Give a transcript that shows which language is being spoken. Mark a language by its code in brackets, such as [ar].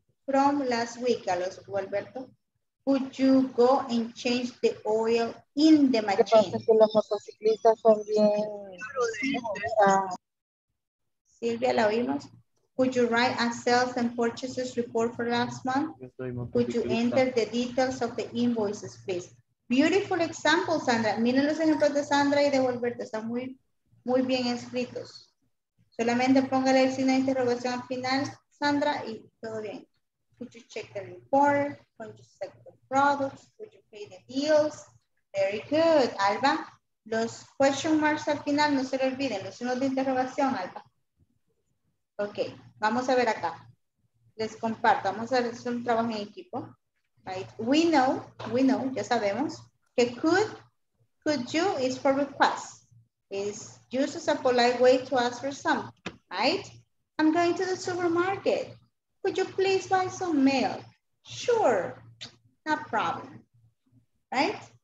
[en] From last week, Alberto. Could you go and change the oil in the machine? [es] ¿Qué pasa si los motociclistas son bien? Silvia, ¿la oímos? [en] Could you write a sales and purchases report for last month? Could you enter the details of the invoices, please? Beautiful example, Sandra. [es] Miren los ejemplos de Sandra y de Alberto. Están muy, muy bien escritos. Solamente póngale el signo de interrogación al final, Sandra, y todo bien. [en] Could you check the report? Could you check the products? Could you pay the bills? Very good, Alba. [es] Los question marks al final, no se lo olviden. Los signos de interrogación, Alba. Ok, vamos a ver acá. Les comparto, vamos a hacer un trabajo en equipo. [en] Right. We know, [es] ya sabemos, [en] que could you is for request. It's used as a polite way to ask for something, right? I'm going to the supermarket. Could you please buy some milk? Sure, no problem, right?